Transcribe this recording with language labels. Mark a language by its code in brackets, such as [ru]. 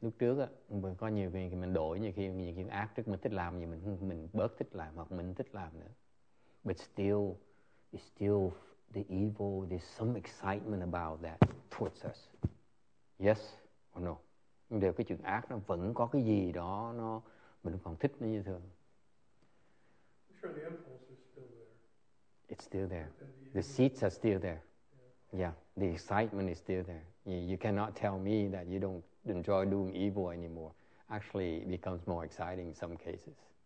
[vi] Okay, lúc trước á, có nhiều khi mình đổi, nhiều khi ác trước mình thích làm, mình bớt thích làm hoặc mình thích làm nữa. [en] But still, it's still the evil, there's some excitement about that towards us. Yes or no? [vi] Nhưng đều cái chuyện ác nó vẫn có cái gì đó nó mình còn thích nó như thường. [en] Sure, the impulse is still there. It's still there. The seeds are still there. Yeah, the excitement is still there. You cannot tell me that you don't enjoy doing evil anymore. Actually, it becomes more exciting in some cases.